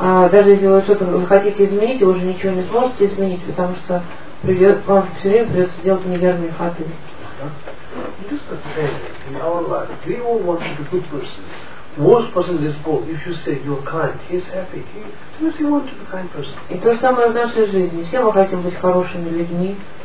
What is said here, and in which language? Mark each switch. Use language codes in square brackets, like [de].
[ru] Даже если вы что-то хотите изменить, вы уже ничего не сможете изменить, потому что вам все время придется делать неверные ходы. [en] Just the same in our life. We all want to be good persons. Most persons in this world, if you say you're kind, he's happy. Because he wants to be a kind person. [ru] И то же самое в нашей жизни. Все мы хотим быть хорошими людьми.